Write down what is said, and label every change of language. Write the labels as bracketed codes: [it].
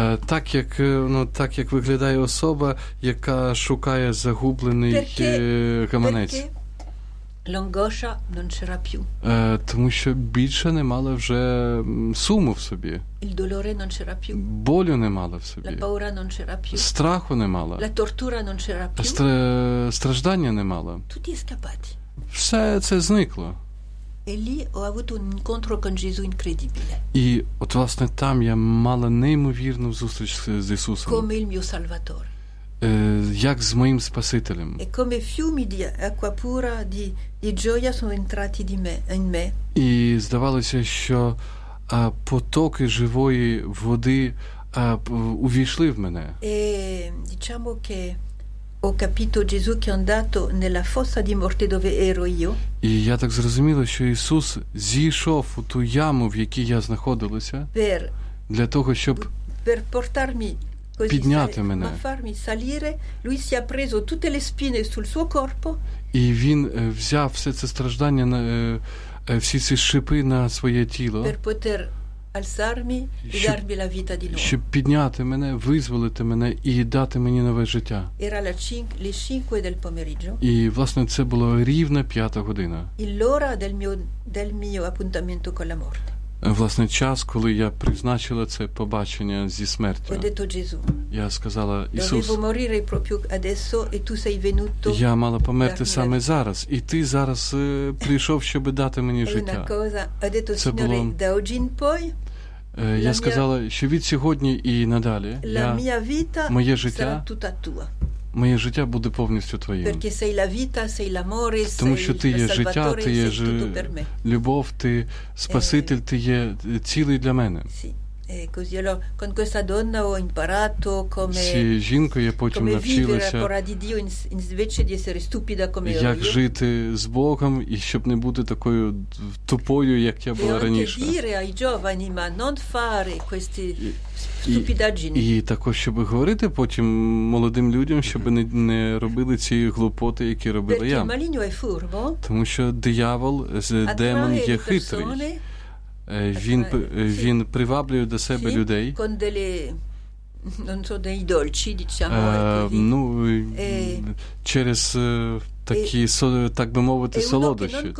[uk] Так як, ну, так як виглядає особа, яка шукає загублений каменець. [it] Perché l'angoscia non c'era più. [uk] Тому що більше не мала вже суму в собі. [it] Il dolore non c'era più. [uk] Болю не мала в собі. [it] La paura non c'era più. [uk] Страху не мала. [it] La tortura non c'era più. [uk] Страждання не мала. [it] Tutti scappati. [uk] Все це зникло. [it] E lì ho avuto un incontro con Gesù incredibile. [uk] І от власне там я мала неймовірну зустріч з Ісусом. [it] Come il mio Salvatore. [uk] Як з моїм Спасителем. [it] E come fiumi di acqua pura di gioia sono entrati di me in me. [uk] І здавалося, що потоки живої води увійшли в мене. [it] E diciamo che ho capito Gesù che è andato nella fossa di morte dove ero io. [uk] І я так зрозуміла, що Ісус зійшов у ту яму, в якій я знаходилася, для того, щоб [it] per portarmi così, [uk] підняти мене. [it] Ma farmi salire, lui si è preso tutte le spine sul suo corpo. [uk] І він взяв все це страждання, всі ці шипи на своє тіло. [it] Per poter alzarmi e darmi la vita di nuovo. [uk] Щоб підняти мене, визволити мене і дати мені нове життя. [it] Era le 5 del pomeriggio. [uk] І, власне, це було рівно 5 година. [it] E l'ora del mio appuntamento con la morte. [uk] Власне, час, коли я призначила це побачення зі смертю. [it] Ho detto Gesù. [uk] Я сказала: Ісус, [it] dovevo morire proprio adesso e tu sei venuto. [uk] Я мала померти саме зараз, і ти зараз прийшов, щоб дати мені життя. [it] Una cosa, ho detto Signore, da oggi in poi. [uk] Я сказала, що від сьогодні і надалі моє життя [it] sarà tutta tua. [uk] Моє життя буде повністю твоїм. [it] Perché sei la vita, sei l'amore, [uk] тому що ти є життя, ти є любов, ти спаситель, ти є цілий для мене. [it] Così allora, con questa donna ho imparato come vivere la parola di Dio invece di essere stupida come [uk] як [it] io. [uk] Як жити з Богом і щоб не бути такою тупою, як я була раніше. [it] E anche dire ai giovani, ma non fare questi stupidaggini. [uk] І також, щоб говорити потім молодим людям, щоб не робили ці глупоти, які робила я. [it] Perché maligno è furbo. [uk] Тому що диявол, демон є хитрий. Він приваблює до себе людей. [it] Con delle, non so, dei dolci, diciamo, [uk] через такі, так би мовити, солодощі,